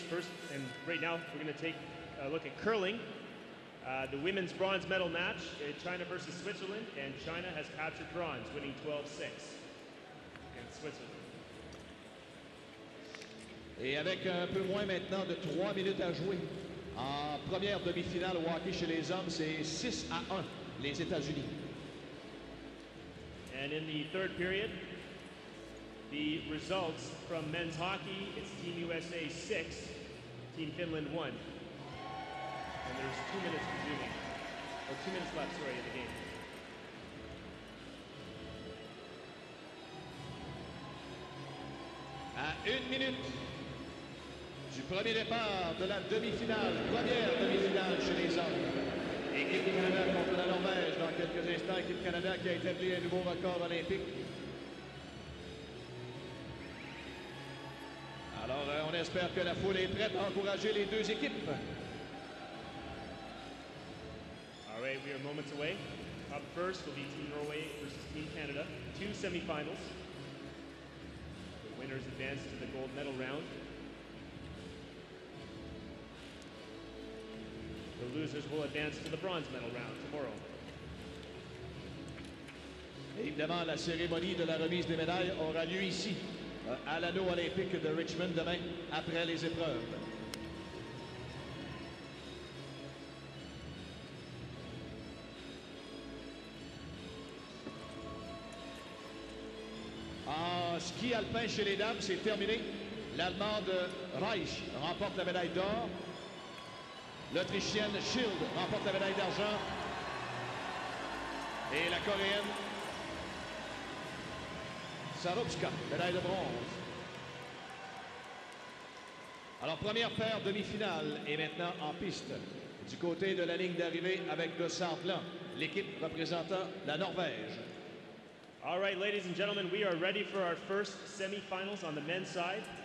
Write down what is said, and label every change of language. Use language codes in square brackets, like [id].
[en] First, and right now, we're going to take a look at curling. The women's bronze medal match, China versus Switzerland, and China has captured bronze, winning 12-6 against Switzerland. [fr] Et avec un peu moins maintenant de 3 minutes à jouer, en première demi-finale au hockey chez les hommes, c'est 6-1, les États-Unis. [en] And in the third period, the results from men's hockey, it's Team USA 6, Team Finland 1. And there's 2 minutes resuming, or 2 minutes left, sorry, in the game. [fr] À 1 minute du premier départ de la demi-finale, première demi-finale chez les hommes. Équipe Canada contre la Norvège dans quelques instants. Équipe Canada qui a établi un nouveau record olympique. Alors, on espère que la foule est prête à encourager les deux équipes. [en] We are moments away. Up first will be Team Norway versus Team Canada. Two semifinals. The winners advance to the gold medal round. The losers will advance to the bronze medal round tomorrow. [fr] Évidemment, la cérémonie de la remise des médailles aura lieu ici, à l'anneau olympique de Richmond demain après les épreuves. Ski alpin chez les dames, c'est terminé. L'Allemande Reich remporte la médaille d'or. L'Autrichienne Schild remporte la médaille d'argent. Et la Coréenne Sarupska, médaille de bronze. Alors, première paire demi-finale est maintenant en piste. Du côté de la ligne d'arrivée avec le Sartland, l'équipe représentant la Norvège. [en] All right, ladies and gentlemen, we are ready for our first semifinals on the men's side.